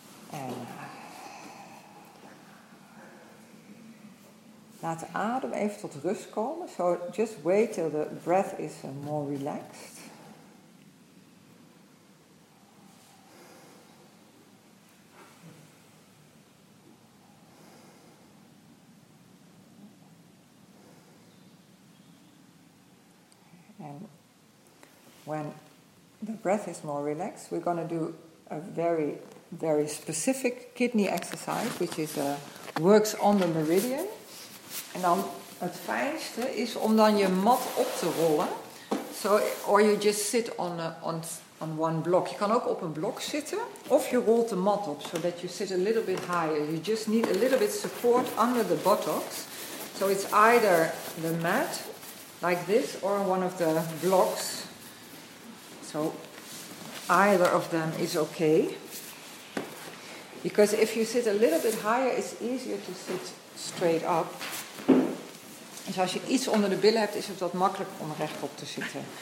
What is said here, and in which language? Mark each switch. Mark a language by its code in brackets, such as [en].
[nl] En laat de adem even tot rust komen. [en] So just wait till the breath is more relaxed. When the breath is more relaxed, we're going to do a very, very specific kidney exercise, which is works on the meridian. [nl] En dan Het fijnste is om dan je mat op te rollen. [en] So, or you just sit on one block. [nl] Je kan ook op een blok zitten. Of je rolt de mat op, [en] so that you sit a little bit higher. You just need a little bit support under the buttocks. So it's either the mat, like this, or one of the blocks. So either of them is okay. Because if you sit a little bit higher, it's easier to sit straight up. [nl] Dus als je iets onder de billen hebt, is het wat makkelijker om rechtop te zitten.